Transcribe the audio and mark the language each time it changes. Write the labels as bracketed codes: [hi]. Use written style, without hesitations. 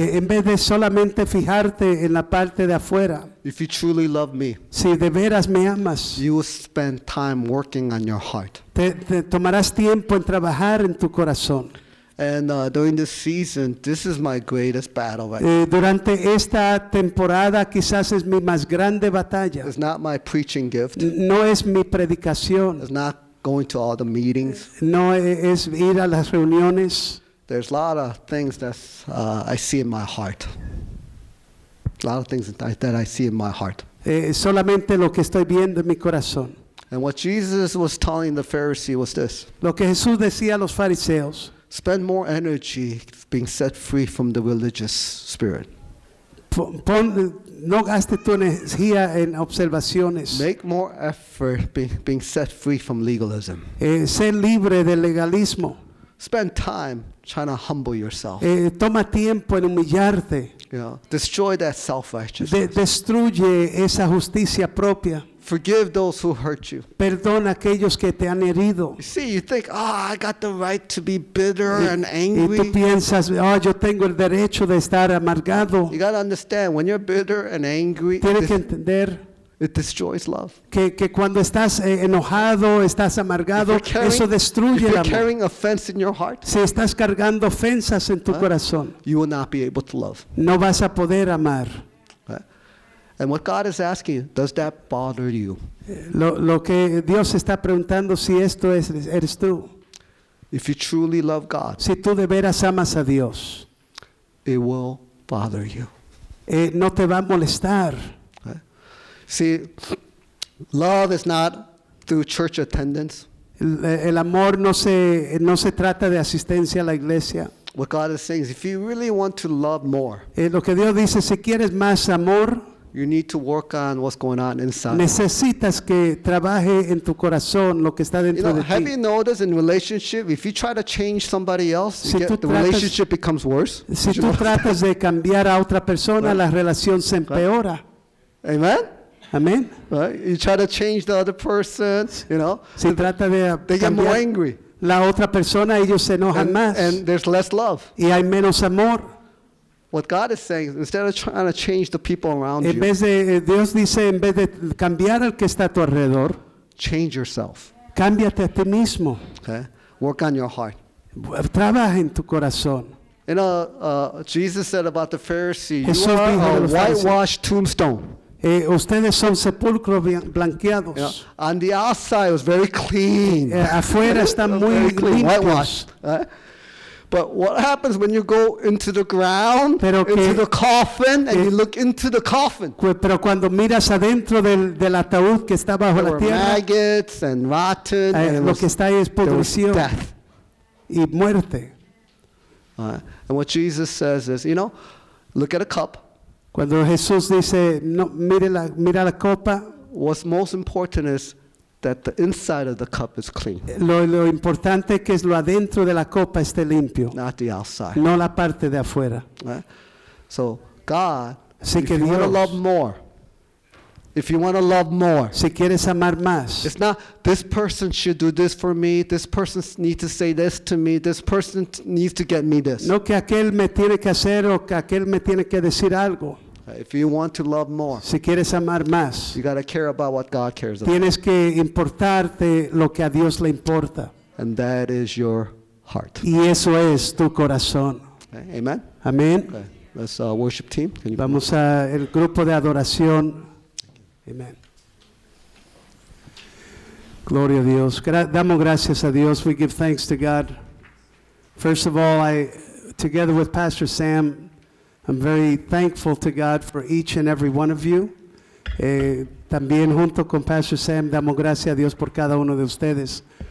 [es] En vez de solamente fijarte en la parte de afuera. [en] If you truly love me. [es] Si de veras me amas. [en] You will spend time working on your heart. [es] Te tomarás tiempo en trabajar en tu corazón. [en] And during this season, this is my greatest battle right now. [es] Durante esta temporada, quizás es mi más grande batalla. [en] It's not my preaching gift. [es] No es mi predicación. [en] It's not going to all the meetings. [es] No es ir a las reuniones. [en] There's a lot of things that I see in my heart. A lot of things that I see in my heart. [es] Solamente lo que estoy viendo en mi corazón. [en] And what Jesus was telling the Pharisee was this. [es] Lo que Jesús decía a los fariseos. [en] Spend more energy being set free from the religious spirit. [es] No gaste tu energía en observaciones. [en] Make more effort being set free from legalism. [es] Ser libre del legalismo. [en] Spend time trying to humble yourself. [es] Toma tiempo en humillarte. [en] You know, destroy that self-righteousness. [es] Destruye esa justicia propia. [en] Forgive those who hurt you. [es] Perdona a aquellos que te han herido. [en] See, you think, oh, I got the right to be bitter and angry. [es] Y tú piensas, oh, yo tengo el derecho de estar amargado. [en] You got to understand, when you're bitter and angry, it destroys love. [es] Que cuando estás enojado, estás amargado, eso destruye el amor. [en] If you're carrying offense in your heart, [es] si estás cargando ofensas en tu corazón, [en] you will not be able to love. [es] No vas a poder amar. [en] And what God is asking, does that bother you? [es] Lo que Dios está preguntando, si esto es, eres tú. [en] If you truly love God, [es] si tú de veras amas a Dios, [en] it will bother you. [es] No te va a molestar. [en] See, love is not through church attendance. [es] El amor no se trata de asistencia a la iglesia. [en] What God is saying is, if you really want to love more, [es] lo que Dios dice, si quieres más amor, [en] you need to work on what's going on inside. [es] Necesitas que trabaje en tu corazón lo que está dentro, [en] you know, [es] de ti. [en] Have you noticed in relationship, if you try to change somebody else, the relationship becomes worse? [es] Si tú tratas de cambiar a otra persona, la relación se empeora. [en] Amen. [es] Amen. [en] Right? You try to change the other person, you know. [es] Se trata de [en] they get more angry. [es] La otra persona, ellos se enojan más. [en] And there's less love. [es] Y hay menos amor. [en] What God is saying is, instead of trying to change the people around [es] en vez de, [en] you, [es] Dios dice, en vez de cambiar al que está a tu alrededor, [en] change yourself. [es] Cámbiate a ti mismo. [en] Okay? Work on your heart. [es] Trabaja en tu corazón. [en] You know, Jesus said about the Pharisees, you are a whitewashed tombstone. [es] Ustedes son sepulcros blanqueados. [en] You know, on the outside, it was very clean. [es] Afuera está muy [en] clean, whitewashed. But what happens when you go into the ground, [es] pero [en] into [es] que, [en] the coffin, and you look into the coffin? [es] Pero cuando miras adentro del ataúd que está bajo la tierra, [en] there were maggots and rotten. [es] Lo que está ahí es pudrición, [en] death, [es] y muerte. [en] And what Jesus says is, you know, look at a cup. [es] Cuando Jesús dice, no, mira la copa. [en] What's most important is that the inside of the cup is clean. [es] Lo importante que es lo adentro de la copa esté limpio. [en] Not the outside. [es] No la parte de afuera. [en] So God, [es] si [en] if you want to love more, if you want to love more, [es] si quieres amar más, [en] it's not this person should do this for me, this person needs to say this to me, this person needs to get me this. [es] No que aquel me tiene que hacer o que aquel me tiene que decir algo. [en] If you want to love more, [es] si quieres amar más, [en] you got to care about what God cares about. [es] Tienes que importarte lo que a Dios le importa. [en] And that is your heart. [es] Y eso es tu corazón. [en] Okay, amen. [es] Amen. [en] Okay. Let's worship team. Can you [es] vamos a el grupo de adoración. Amen. Gloria a Dios. Damos gracias a Dios. [en] We give thanks to God. First of all, together with Pastor Sam, I'm very thankful to God for each and every one of you. [es] También junto con Pastor Sam, damos gracias a Dios por cada uno de ustedes.